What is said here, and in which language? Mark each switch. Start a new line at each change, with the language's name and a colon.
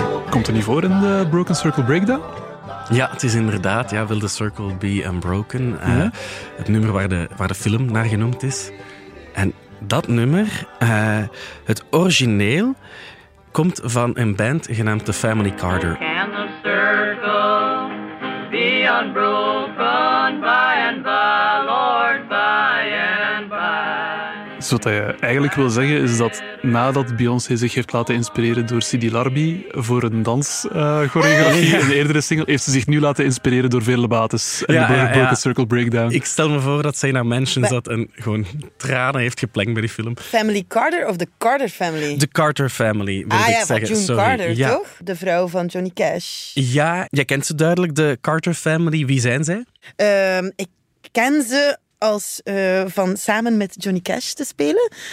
Dutch: Komt er niet voor in de Broken Circle Breakdown? Ja, het is inderdaad. Ja, Will the Circle Be Unbroken? Mm-hmm. Het nummer waar de film naar genoemd is. En dat nummer, het origineel, komt van een band genaamd The Family Carter.
English: Can the circle be unbroken by and by, Lord, by and by?
Dutch: Dus wat je eigenlijk wil zeggen is dat nadat Beyoncé zich heeft laten inspireren door Sidi Larbi voor een danschoreografie, een eerdere single, heeft ze zich nu laten inspireren door Vele Bates en de Circle Breakdown. Ik stel me voor dat zij naar Mansion zat en gewoon tranen heeft geplengd bij die film. Family Carter of the Carter Family? The Carter Family, wil ik zeggen. Ah ja, June Sorry. Carter, toch? De vrouw van Johnny Cash. Ja, jij kent ze duidelijk, de Carter Family. Wie zijn zij? Ik ken ze als van samen met Johnny Cash te spelen.